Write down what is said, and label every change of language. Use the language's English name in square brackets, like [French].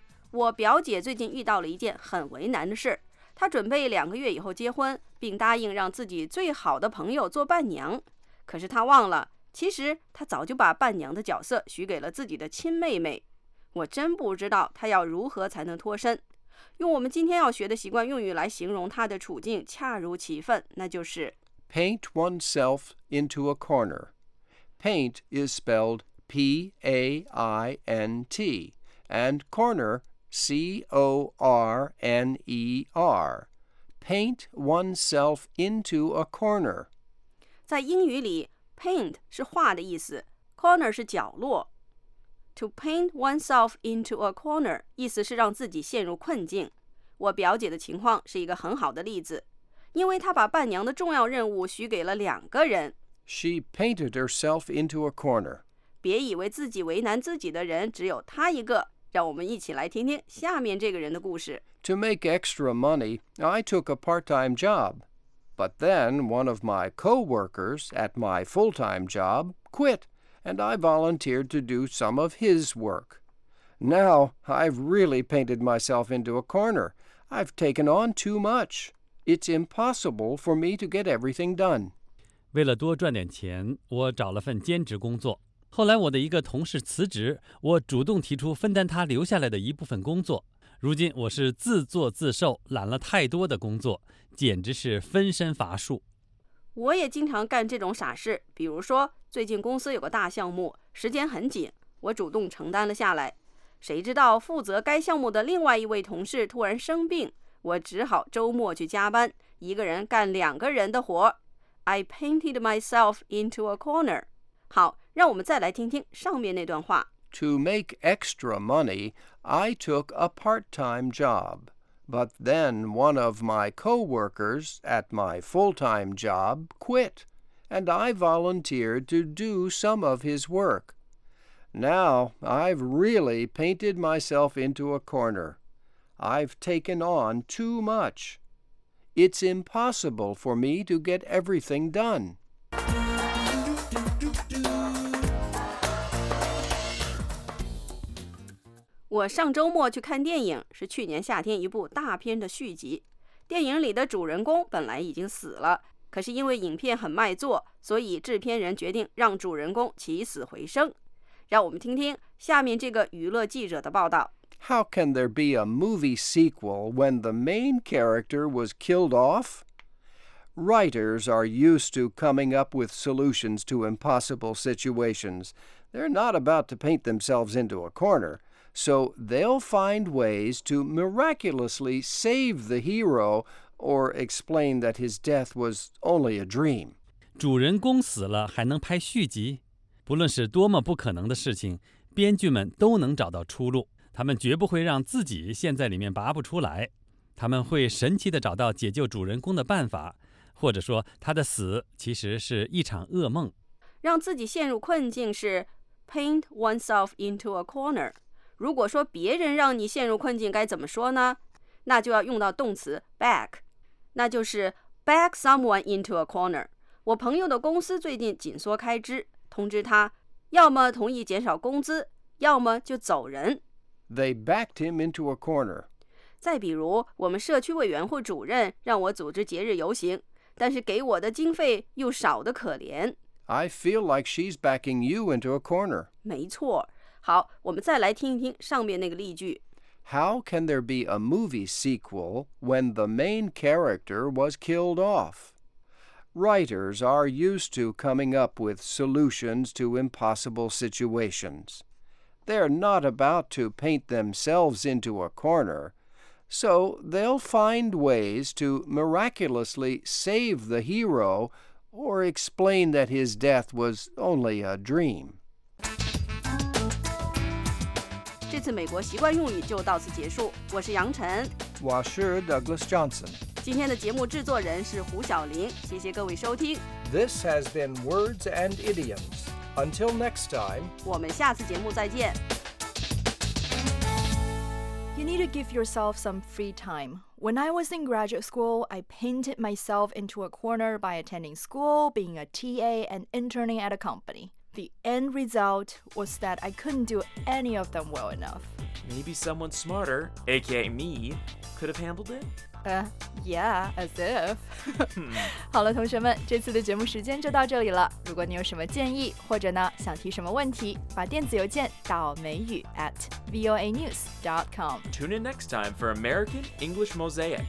[Chinese] 我表姐最近遇到了一件很为难的事。她准备两个月以后结婚，并答应让自己最好的朋友做伴娘。可是她忘了，其实她早就把伴娘的角色许给了自己的亲妹妹。我真不知道她要如何才能脱身。用我们今天要学的习惯用语来形容她的处境恰如其分，那就是 [English] Paint oneself into a corner. Paint is spelled P-A-I-N-T, and cornerC-O-R-N-E-R. Paint oneself into a corner. [Chinese] 在英语里 paint 是画的意思 corner 是角落。 [English] To paint oneself into a corner [Chinese] 意思是让自己陷入困境。我表姐的情况是一个很好的例子，因为她把伴娘的重要任务许给了两个人。 [English] She painted herself into a corner. [Chinese] 别以为自己为难自己的人只有她一个。让我们一起来听听下面这个人的故事。 [English] To make extra money, I took a part-time job. But then one of my co-workers at my full-time job quit, and I volunteered to do some of his work. Now, I've really painted myself into a corner. I've taken on too much. It's impossible for me to get everything done. [Chinese] 为了多赚点钱，我找了份兼职工作。后来我的一个同事辞职，我主动提出分担他留下来的一部分工作。如今我是自作自受，揽了太多的工作，简直是分身乏术。我也经常干这种傻事，比如说最近公司有个大项目，时间很紧，我主动承担了下来。谁知道负责该项目的另外一位同事突然生病，我只好周末去加班，一个人干两个人的活。 [English] I painted myself into a corner. [Chinese] 好，让我们再来听听上面那段话。 [English] To make extra money, I took a part-time job. But then one of my co-workers at my full-time job quit, and I volunteered to do some of his work. Now I've really painted myself into a corner. I've taken on too much. It's impossible for me to get everything done. [Chinese] 我上周末去看电影，是去年夏天一部大片的续集。电影里的主人公本来已经死了，可是因为影片很卖座，所以制片人决定让主人公起死回生。让我们听听下面这个娱乐记者的报道。 [English] How can there be a movie sequel when the main character was killed off? Writers are used to coming up with solutions to impossible situations. They're not about to paint themselves into a corner. So they'll find ways to miraculously save the hero or explain that his death was only a dream. [Chinese] 主人公死了还能拍续集？不论是多么不可能的事情，编剧们都能找到出路。他们绝不会让自己陷在里面拔不出来，他们会神奇地找到解救主人公的办法，或者说他的死其实是一场噩梦。让自己陷入困境是 [English] paint oneself into a corner。 [Chinese] 如果说别人让你陷入困境该怎么说呢？那就要用到动词 back， 那就是 [English] back someone into a corner。 [Chinese] 我朋友的公司最近紧缩开支，通知他要么同意减少工资，要么就走人。 [English] They backed him into a corner. [Chinese] 再比如，我们社区委员会主任让我组织节日游行，但是给我的经费又少得可怜。 [English] I feel like she's backing you into a corner. [Chinese] 没错。好，我们再来听一听上面那个例句。 How can there be a movie sequel when the main character was killed off? Writers are used to coming up with solutions to impossible situations. They're not about to paint themselves into a corner, so they'll find ways to miraculously save the hero or explain that his death was only a dream. 这次美国习惯用语就到此结束。我是杨晨，我是 Douglas Johnson。今天的节目制作人是胡晓玲，谢谢各位收听。 [English] This has been Words and Idioms. Until next time, [Chinese] 我们下次节目再见。 [English] You need to give yourself some free time. When I was in graduate school, I painted myself into a corner by attending school, being a TA, and interning at a company. The end result was that I couldn't do any of them well enough. Maybe someone smarter, aka me, could have handled it? Yeah, as if. [Chinese] 好了，同学们，这次的节目时间就到这里了。如果你有什么建议，或者呢想提什么问题，把电子邮件到美语@voanews.com. [English] Tune in next time for American English Mosaic.